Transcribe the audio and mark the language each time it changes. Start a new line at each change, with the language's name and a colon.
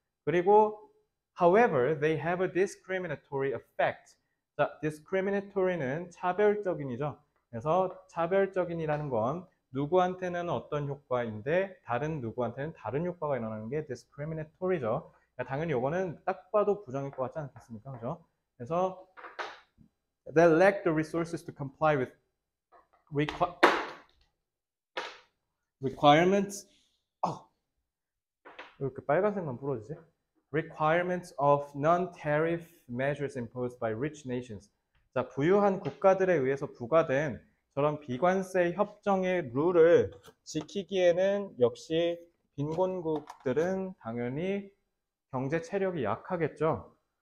Korean: 그리고
English: however, they have a discriminatory effect.
Korean: 자, discriminatory는 차별적인이죠. 그래서 차별적인이라는 건 누구한테는 어떤 효과인데 다른 누구한테는 다른 효과가 일어나는 게 discriminatory죠. 당연히 이거는 딱 봐도 부정일 것 같지 않겠습니까? 그죠? 그래서
English: they lack the resources to comply with requirements.
Korean: 왜 이렇게 빨간색만 부러지지?
English: Requirements of non-tariff measures imposed by rich nations.
Korean: 자, 부유한 국가들에 의해서 부과된 저런 비관세 협정의 룰을 지키기에는 역시 빈곤국들은 당연히 경제 체력이 약하겠죠.